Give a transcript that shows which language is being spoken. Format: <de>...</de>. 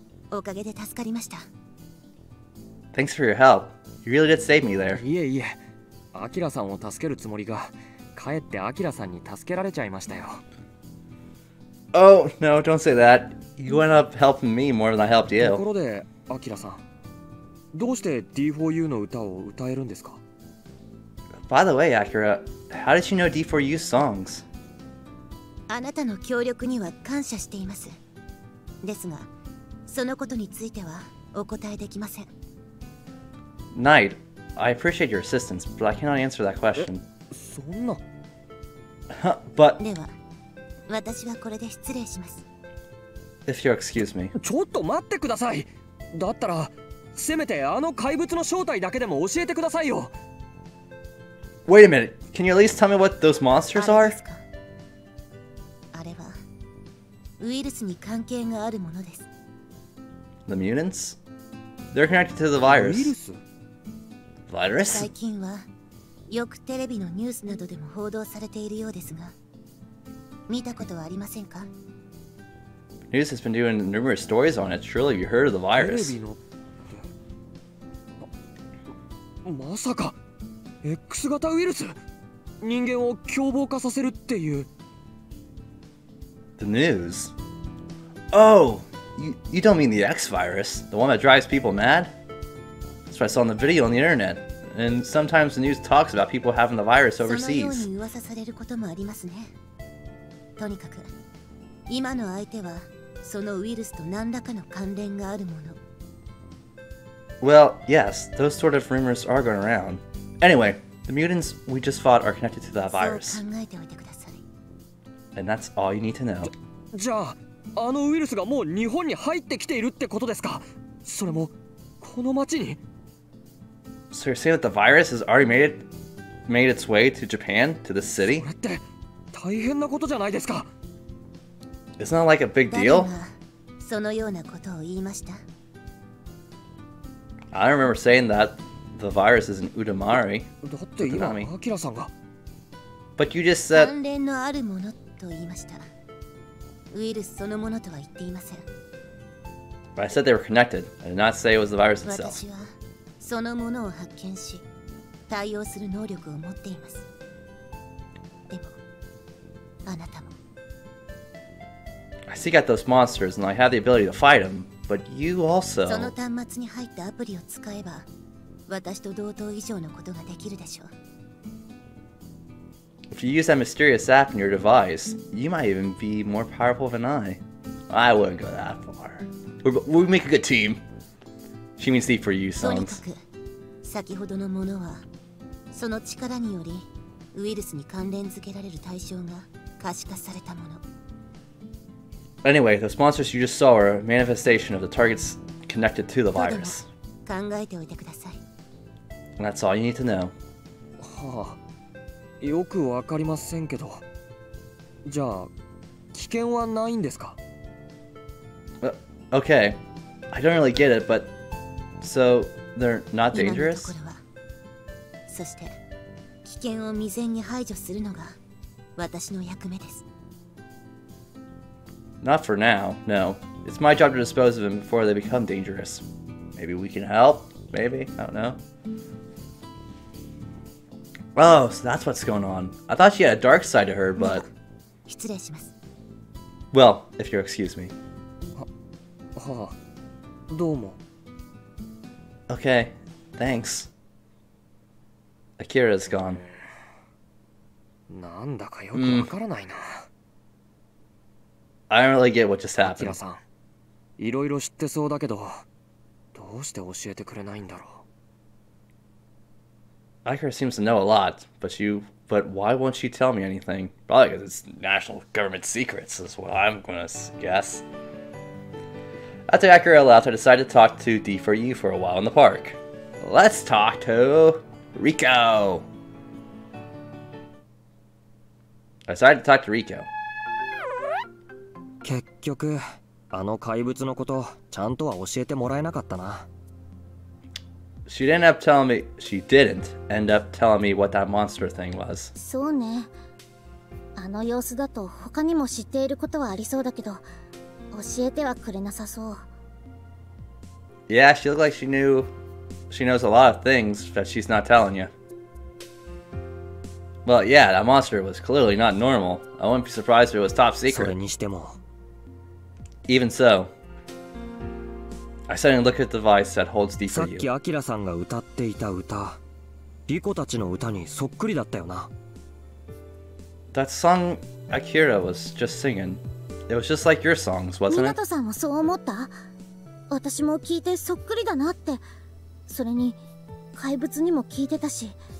<ja>おかげで助かりました。</ja> <en>Thanks for your help. You really did save me there.</en> <ja>いえいえ、アキラさんを助けるつもりが、かえってアキラさんに助けられちゃいましたよ。</ja> <en>Oh, no, don't say that. You went up helping me more than I helped you.</en> <ja>ところで、アキラさん、どうして D4U の歌を歌えるんですか？</ja> <en>By the way, Akira, how did you know D4U's songs?</en> <ja>あなたの協力には感謝しています。ですが、そのことについてはお答えできません。</ja> <en>Knight, I appreciate your assistance, but I cannot answer that question.</en> <ja>そんな。</ja> <en>But...</en> <ja>では、私はこれで失礼します。</ja> <en>If you'll excuse me.</en> <ja>ちょっと待ってください。だったら、せめてあの怪物の正体だけでも教えてくださいよ。</ja> <en>Wait a minute. Can you at least tell me what those monsters are?</en> <ja>あれですか。あれは、ウイルスに関係があるものです。</ja> <en>The mutants? They're connected to the virus.</en> <ja>ウイルス？</ja> <en>Virus?</en> <ja>最近は、よくテレビのニュースなどでも報道されているようですが、見たことはありませんか？</ja> <en>News has been doing numerous stories on it. Surely you heard of the virus.</en> <ja>テレビの…まさか X 型ウイルス、人間を凶暴化させるっていう。</ja> <en>The news? Oh! You don't mean the X virus? The one that drives people mad? That's what I saw in the video on the internet. And sometimes the news talks about people having the virus overseas.</en> <ja>そのように噂されることもありますね。とにかく、今の相手はそのウイルスと何らかの関連があるもの。</ja> <en>Well, yes, those sort of rumors are going around. Anyway, the mutants we just fought are connected to that virus.</en> <ja>そう考えておいてください。</ja> <en>And that's all you need to know.</en> <ja>じゃあ、あのウイルスがもう日本に入ってきているってことですか？それも、この町に？</ja> <en>So you're saying that the virus has already made its way to Japan, to this city?</en> <ja>それって、大変なことじゃないですか？</ja> <en>Isn't that like a big deal?</en> <ja>誰がそのようなことを言いました？</ja> <en>I don't remember saying that the virus is an Udomari.</en> <ja>だって今、アキラさんが。</ja> <en>But you just said...</en> <ja>関連のあるものと言いました。ウイルスそのものとは言っていません。</ja> <en>But I said they were connected. I did not say it was the virus itself.</en> <ja>私はそのものを発見し、対応する能力を持っています。でも、あなたも。</ja> <en>I seek out those monsters and I have the ability to fight them, but you also...</en> <ja>その端末に入ったアプリを使えば、私と同等以上のことができるでしょう。</ja> <en>If you use that mysterious app in your device, you might even be more powerful than I. I wouldn't go that far. We make a good team. She means deep for you, sons.</en> <ja>とにかく、先ほどのものは、その力により、ウイルスに関連付けられる対象が可視化されたもの。</ja> <en>Anyway, those monsters you just saw are a manifestation of the targets connected to the virus.</en> <ja>考えておいてください。</ja> <en>That's all you need to know.</en> <ja>はあ。よくわかりませんけど、じゃあ危険はないんですか？</ja> <en>Okay, I don't really get it, but so they're not dangerous?</en> <ja>今のところは、そして危険を未然に排除するのが私の役目です。</ja> <en>Not for now, no. It's my job to dispose of them before they become dangerous. Maybe we can help? Maybe? I don't know. Oh, so that's what's going on. I thought she had a dark side to her, but...</en> <ja>失礼します。</ja> <en>Well, if you'll excuse me.</en> <ja>はあ、どうも。</ja> <en>Okay, thanks. Akira's gone.</en> <ja>なんだかよくわからないな。</ja> <en>I don't really get what just happened.</en> <ja>アキラさん、いろいろ知ってそうだけど、どうして教えてくれないんだろう。</ja> <en>Akira seems to know a lot, but why won't she tell me anything? Probably because it's national government secrets, is what I'm gonna guess. After Akira left, I decided to talk to D4U for a while in the park. Let's talk to Riko! I decided to talk to Riko.</en> <ja>結局、あの怪物のこと、ちゃんとは教えてもらえなかったな。</ja> <en>She didn't end up telling me. She didn't end up telling me what that monster thing was.</en> <ja>そうね。あの様子だと他にも知っていることはありそうだけど、教えてはくれなさそう。</ja> <en>Yeah, she looked like she knows a lot of things that she's not telling you. Well, yeah, that monster was clearly not normal. I wouldn't be surprised if it was top secret.</en> <ja>それにしても。</ja> <en>Even so, I suddenly look at the device that holds deep for you.</en> <ja>さっきアキラさんが歌っていた歌、リコたちの歌にそっくりだったよな。</ja> <en>That song Akira was just singing, it was just like your songs, wasn't it?</en> <ja>ミナトさんはそう思った?私も聞いてそっくりだなって。それに怪物にも聞いてたし。</ja>